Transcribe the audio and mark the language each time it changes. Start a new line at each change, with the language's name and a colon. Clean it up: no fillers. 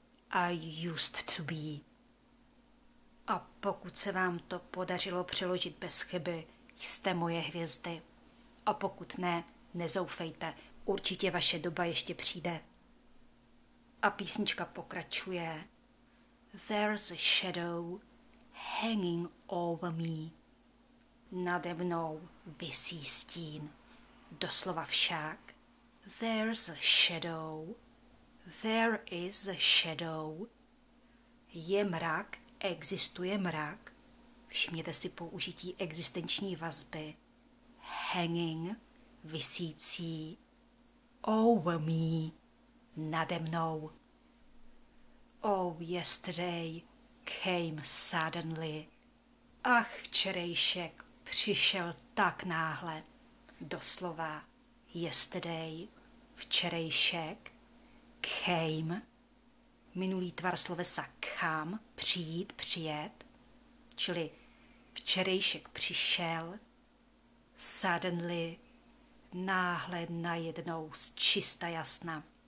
English: I used to be.
Czech: A pokud se vám to podařilo přeložit bez chyby, jste moje hvězdy. A pokud ne, nezoufejte, určitě vaše doba ještě přijde. A písnička pokračuje.
English: There's a shadow hanging over me.
Czech: Nade mnou visí stín. Doslova však.
English: There's a shadow. There is a shadow.
Czech: Je mrak, existuje mrak. Všimněte si použití existenční vazby. Hanging, visící.
English: Over me.
Czech: Nade mnou.
English: Oh, yesterday came suddenly.
Czech: Ach, včerejšek přišel tak náhle. Doslova, yesterday, včerejšek, came. Minulý tvar slovesa come, přijít, přijet. Čili včerejšek přišel. Suddenly, náhle, najednou, zčista jasna.